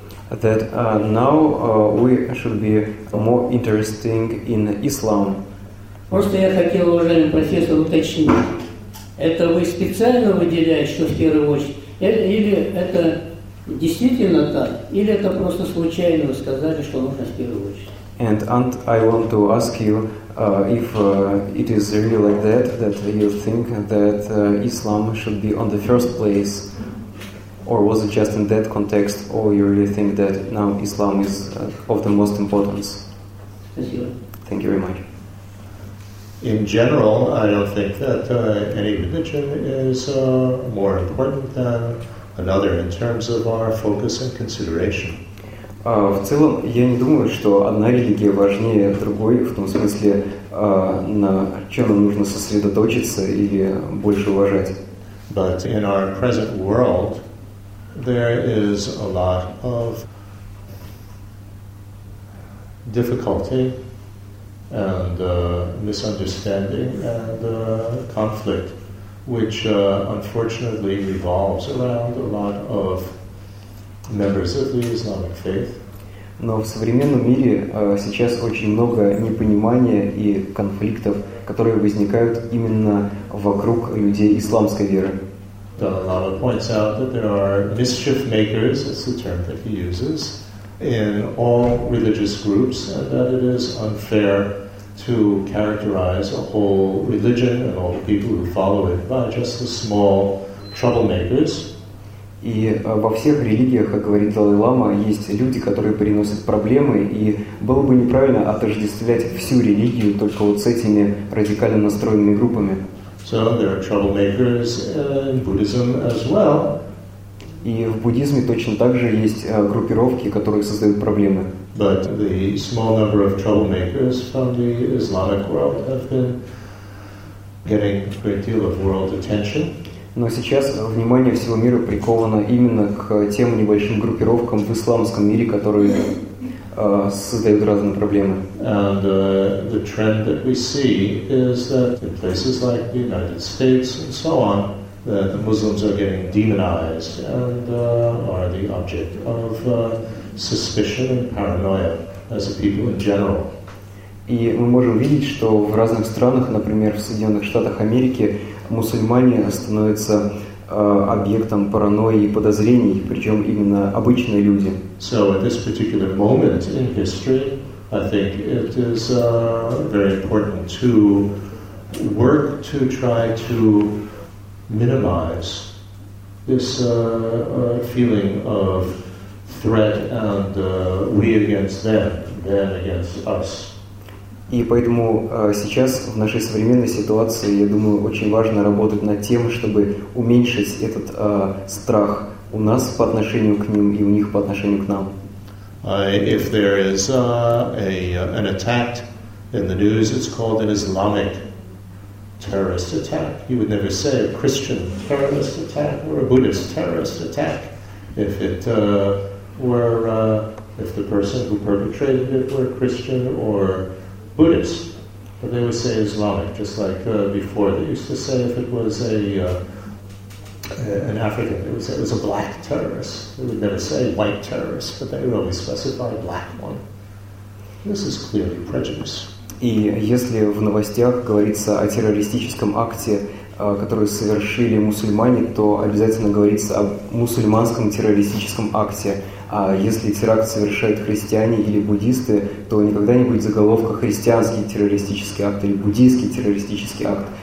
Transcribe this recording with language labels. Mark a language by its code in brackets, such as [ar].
[en] That now we should be more interested in Islam. [ru] Просто я хотел, уважаемый профессор, уточнить. Это вы специально выделяете, что в первую очередь? Или это действительно так? Или это просто случайно вы сказали, что нужно в первую очередь? [en] And Aunt, I want to ask you if it is really like that, that you think that Islam should be on the first place. Or was it just in that context, or you really think that now Islam is of the most importance? Thank you very much. In general, I don't think that any religion is more important than another in terms of our focus and consideration. [ru] В целом, я не думаю, что одна религия важнее другой, в том смысле, на чем нам нужно сосредоточиться или больше уважать. [en] But in our present world, there is a lot of difficulty and misunderstanding and conflict, which unfortunately revolves around a lot of members of the Islamic faith. [ru] Но в современном мире сейчас очень много непонимания и конфликтов, которые возникают именно вокруг людей исламской веры. [en] Lama points out that there are mischief makers, that's the term that he uses, in all religious groups, and that it is unfair to characterize a whole religion and all the people who follow it by just the small troublemakers. [ru] И во всех религиях, как говорит Далай-Лама, есть люди, которые приносят проблемы, и было бы неправильно отождествлять всю религию только вот с этими радикально настроенными группами. [en] So there are troublemakers in Buddhism as well. [ru] И в буддизме точно так же есть группировки, которые создают проблемы. [en] But the small number of troublemakers from the Islamic world have been getting a great deal of world attention. [ru] Но сейчас внимание всего мира приковано именно к тем небольшим группировкам в исламском мире, которые создают разные проблемы. [en] And the trend that we see is that in places like the United States and so on, that the Muslims are getting demonized and are the object of suspicion and paranoia as a people in general. [ru] И мы можем видеть, что в разных странах, например, в Соединенных Штатах Америки, мусульмане становятся объектом паранойи и подозрений, причем именно обычные люди. [en] So at this particular moment in history, I think it is very important to work to try to minimize this feeling of threat and we against them, them against us. [ru] И поэтому сейчас, в нашей современной ситуации, я думаю, очень важно работать над тем, чтобы уменьшить этот страх у нас по отношению к ним и у них по отношению к нам. [en] If there is an attack in the news, it's called an Islamic terrorist attack. You would never say a Christian terrorist attack or a Buddhist terrorist attack if it were if the person who perpetrated it were Christian or Buddhist, but they would say Islamic, just like before. They used to say if it was an African, they would say it was a black terrorist. They would never say white terrorist, but they would always specify a black one. This is clearly prejudice. [ru] И если в новостях говорится о террористическом акте которые совершили мусульмане, то обязательно говорится о мусульманском террористическом акте. А если теракт совершают христиане или буддисты, то никогда не будет заголовка «христианский террористический акт» или «буддийский террористический акт».